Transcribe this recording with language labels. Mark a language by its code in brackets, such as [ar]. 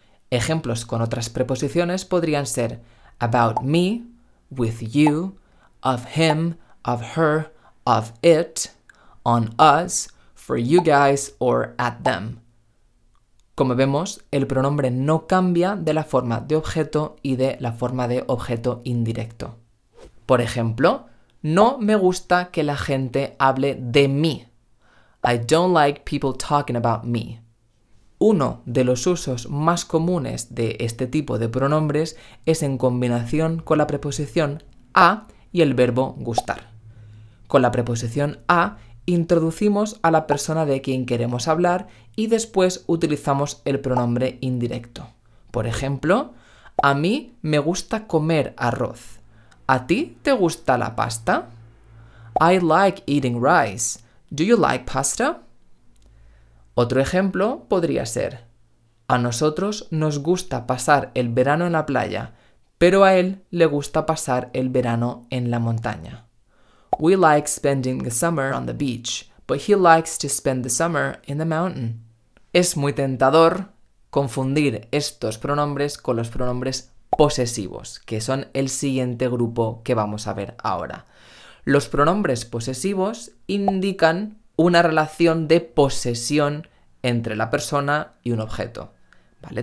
[es] Ejemplos con otras preposiciones podrían ser [en] about me, with you, of him, of her, of it, on us, for you guys, or at them. [es] Como vemos, el pronombre no cambia de la forma de objeto y de la forma de objeto indirecto. Por ejemplo, no me gusta que la gente hable de mí. [en] I don't like people talking about me. [es] Uno de los usos más comunes de este tipo de pronombres es en combinación con la preposición a y el verbo gustar. Con la preposición a, introducimos a la persona de quien queremos hablar y después utilizamos el pronombre indirecto. Por ejemplo, a mí me gusta comer arroz. ¿A ti te gusta la pasta? [en] I like eating rice. Do you like pasta? [es] Otro ejemplo podría ser, a nosotros nos gusta pasar el verano en la playa, pero a él le gusta pasar el verano en la montaña. [en] We like spending the summer on the beach, but he likes to spend the summer in the mountain. [es] Es muy tentador confundir estos pronombres con los pronombres posesivos, que son el siguiente grupo que vamos a ver ahora. Los pronombres posesivos indican una relación de posesión entre la persona y un objeto. ¿Vale?